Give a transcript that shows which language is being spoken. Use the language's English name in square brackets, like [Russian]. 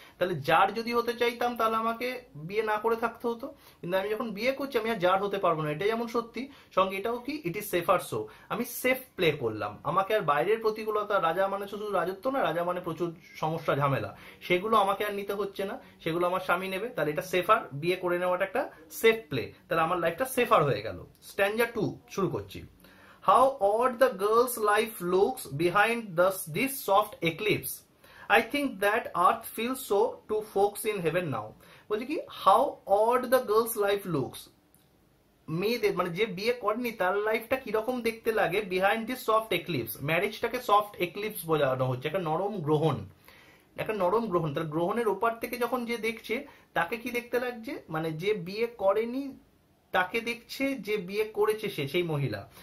[Bangla] তাহলে জার যদি হতে চাইতাম, তাহলে আমাকে বিয়ে না করে থাকতে হতো, কিন্তু আমি যখন বিয়ে করছি আমি আর জার হতে পারবো না, এটা যেমন সত্যি, সঙ্গে এটাও কি, [English] it is safer so, [Bangla] আমি সেফ প্লে করলাম, আমাকে আর বাইরের প্রতিকূলতা, রাজা মানে শুধু রাজত্ব না, রাজা মানে প্রচুর সমস্যা ঝামেলা, সেগুলো আমাকে আর নিতে হচ্ছে না, সেগুলো আমার স্বামী নেবে। তাহলে এটা সেফার, বিয়ে করে নেওয়াটা একটা সেফ প্লে, তাহলে আমার লাইফটা সেফার হয়ে গেল। স্ট্যানজা টু শুরু করছি। [English] How odd the girl's life looks behind this soft eclipse. I think that earth feels so to folks in heaven now. [Bangla] বলছে কি, [English] how odd the girl's life looks. [Bangla] মেয়েদের মানে যে বিয়ে করেনি তার লাইফটা কিরকম দেখতে লাগে [English] Behind this soft eclipse. [Bangla] ম্যারেজটাকে soft eclipse বোঝানো হচ্ছে, একটা নরম গ্রহণ, একটা নরম গ্রহণ। তার গ্রহণের ওপার থেকে যখন যে দেখছে তাকে কি দেখতে লাগছে, মানে যে বিয়ে করেনি তাকে দেখছে যে বিয়ে করেছে সে, সেই মহিলা।